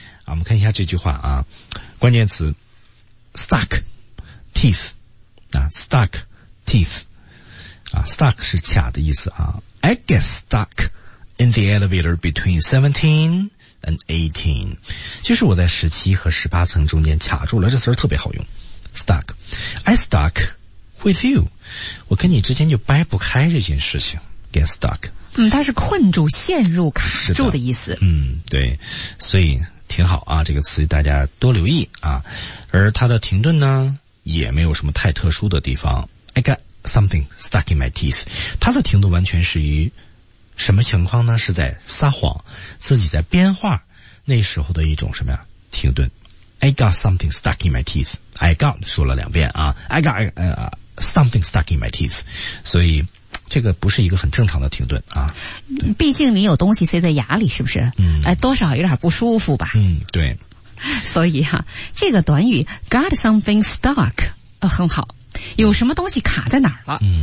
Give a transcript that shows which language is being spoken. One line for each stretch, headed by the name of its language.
Chinese: 我们看一下这句话啊，关键词
English: stuck teeth
Chinese: 啊 ，stuck teeth 啊 ，stuck 是卡的意思啊。
English: I get stuck in the elevator between 17 and 18.
Chinese: 就是我在17和18层中间卡住了，这词儿特别好用。
English: Stuck. I stuck with you.
Chinese: 我跟你之间就掰不开这件事情。
English: Get stuck.
Chinese: 它是困住、陷入、卡住的意思。对，所以挺好啊，这个词大家多留意啊。而它的停顿呢，也没有什么太特殊的地方。
English: I got something stuck in my teeth.
Chinese: 它的停顿完全是于什么情况呢？是在撒谎，自己在编话那时候的一种什么呀？停顿。
English: I got something stuck in my teeth. I got
Chinese: 说了两遍啊。
English: I got something stuck in my teeth.
Chinese: 所以。这个不是一个很正常的停顿啊，毕竟你有东西塞在牙里，是不是？多少有点不舒服吧。对。所以哈，这个短语
English: got something stuck
Chinese: 很好，有什么东西卡在哪儿了？